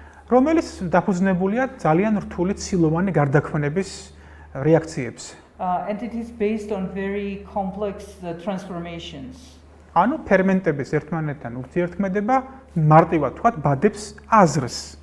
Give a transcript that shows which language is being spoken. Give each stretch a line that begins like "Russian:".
Georgian: რომელიც დაფუძნებულია ძალიან რთული ცილოვანი გარდაქმნების რეაქციებს.
English: And it is based on very complex transformations.
Georgian: ანუ ფერმენტების ერთმანეთთან ურთიერთქმედება მარტივად თქვა ბადებს აზრს.